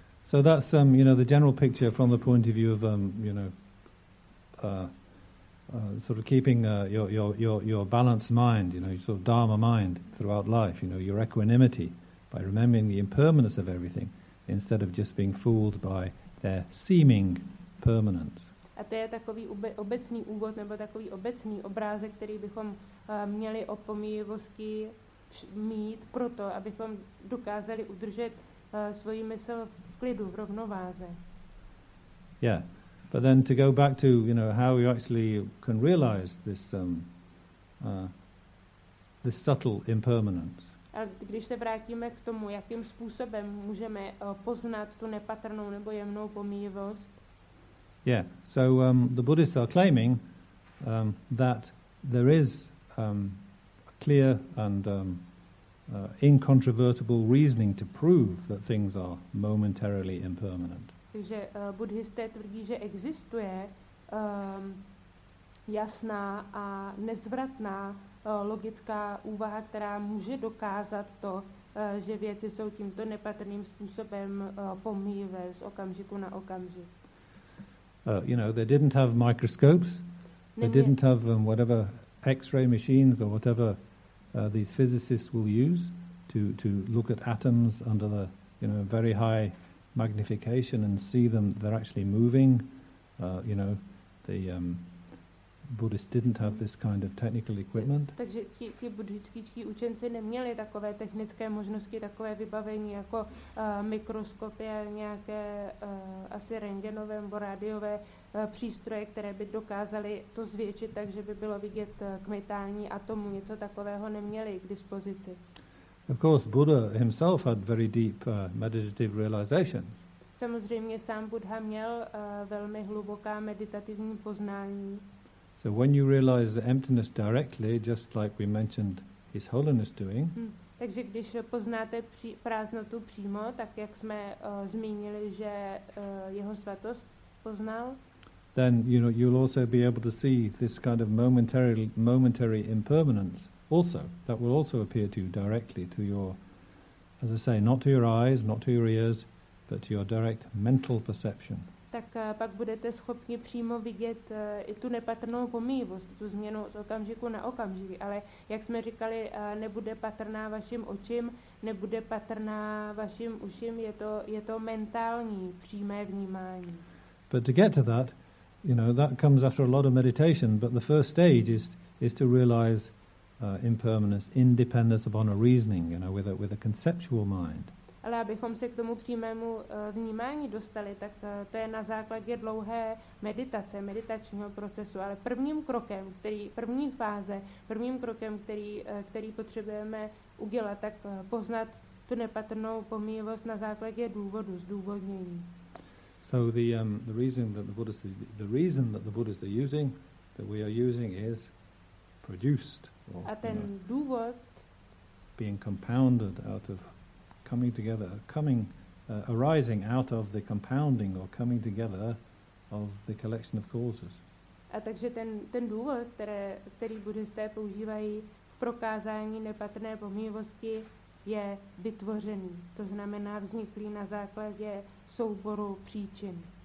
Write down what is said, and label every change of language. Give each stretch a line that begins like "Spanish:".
English: So that's, you know, the general picture from the point of view of, you know, sort of keeping your balanced mind, you know, your sort of Dharma mind throughout life, you know, your equanimity by remembering the impermanence of everything instead of just being fooled by their seeming permanence.
Czech: A to je takový obecný úvod nebo takový obecný obrázek, který bychom měli o pomíjivosti mít proto, abychom dokázali udržet svoji mysl v klidu, v rovnováze.
English: Yeah. But then to go back to, you know, how you actually can realize this this subtle impermanence.
Czech: A když se vrátíme k tomu, jakým způsobem můžeme poznat tu nepatrnou nebo jemnou pomíjivost.
English: Yeah, so the Buddhists are claiming that there is a clear and incontrovertible reasoning to prove that things are momentarily impermanent.
Czech: Takže buddhisté tvrdí, že existuje jasná a nezvratná logická úvaha, která může dokázat to, že věci jsou tímto nepatrným způsobem pomíjivé z okamžiku na okamžik.
English: You know, they didn't have microscopes. They didn't have whatever x-ray machines or whatever these physicists will use to look at atoms under the, you know, very high magnification and see them, they're actually moving. You know, the Buddhists didn't have this kind of technical equipment.
Czech: Takže ti buddhičtí učenci neměli takové technické možnosti, takové vybavení jako mikroskopy a nějaké asi rentgenové nebo rádiové přístroje, které by dokázaly to zvětšit tak, že by bylo vidět kmitání atomů. Něco takového neměli k dispozici.
English: Of course, Buddha himself had very deep meditative realizations.
Czech: Samozřejmě sám Buddha měl velmi hluboká meditativní poznání.
English: So when you realize the emptiness directly, just like we mentioned His Holiness doing.
Czech: Takže když poznáte prázdnotu přímo, tak jak jsme zmínili, že jeho svatost poznal.
English: Then you know you'll also be able to see this kind of momentary impermanence also. That will also appear to you directly through your, as I say, not to your eyes, not to your ears, but to your direct mental perception.
Czech: Tak pak budete schopni přímo vidět i tu nepatrnou pomývost, tu změnu z okamžiku na okamžik. Ale jak jsme říkali, nebude patrná vašim očím, nebude patrná vašim uším, je to mentální přímé vnímání.
English: But to get to that, you know, that comes after a lot of meditation, but the first stage is to realize impermanence, independence upon a reasoning, you know, with a conceptual mind.
Czech: Ale abychom se k tomu přímému vnímání dostali, tak to je na základě dlouhé meditace, meditačního procesu. Ale prvním krokem, který potřebujeme udělat, tak poznat tu nepatrnou pomývost na základě důvodu, zdůvodnění.
English: So the reason that we are using is produced or
Czech: a ten důvod,
English: being compounded out of coming together, arising out of the compounding or coming together of the collection of causes.
Czech: A takže ten důvod, který buddhisté používají k prokázání nepatrné pomývosti, je vytvořený. To znamená vzniklý na základě souboru příčin.